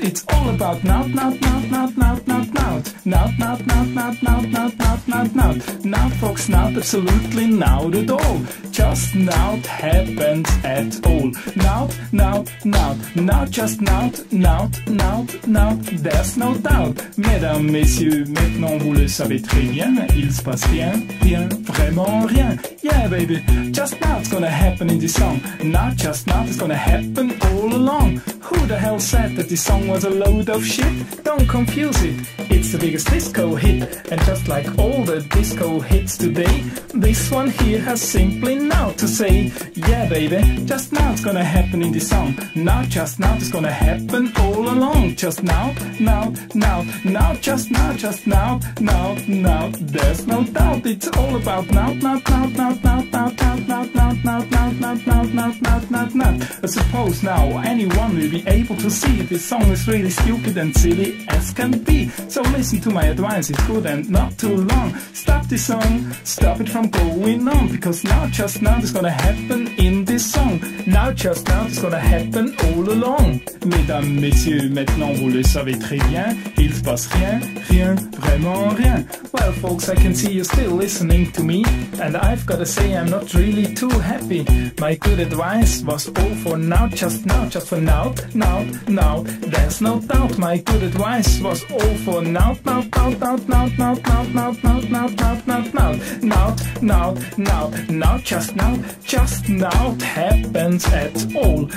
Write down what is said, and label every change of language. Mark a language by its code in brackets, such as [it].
[en] It's all about now, now, now, now, now, now, now, now, now, now, now, now, now, now, now, now, now, folks, now, absolutely now at all. Just now happens at all. Now, now, now, now, just now, now, now, now, there's no doubt. [fr] Mesdames, messieurs, maintenant vous le savez très bien, il se passe rien, rien, vraiment rien. [en] Yeah, baby, just now it's gonna happen in this song. Now, just now, it's gonna happen all along. Who the hell said that this song was a load of shit? Don't confuse it, it's the biggest disco hit. And just like all the disco hits today, this one here has simply now to say. Yeah, baby, just now it's gonna happen in this song. Now, just now, it's gonna happen all along. Just now, now, now, now, just now, just now, now, now, there's no doubt. It's all about now, now, now, now, now, now, now, now, now, now, now, now, now, now, now, now, now. I suppose now anyone will be able to see this song is really stupid and silly as can be. So listen to my advice, it's good and not too long. Stop this song, stop it from going on, because now, just now, it's gonna happen in this song. Now, just now, it's gonna happen all along. [fr] Mesdames, messieurs, maintenant vous le savez très bien, il se passe rien, rien, vraiment rien. [en] Well, folks, I can see you're still listening to me, and I've gotta say I'm not really too happy. My good advice was all for now, just now, just for now, now, now, there's no doubt. My good advice was all for now, now, now, now, now, now, now, now, now, now, now, now, now, now, now, now, now, just now, just now, happens at all.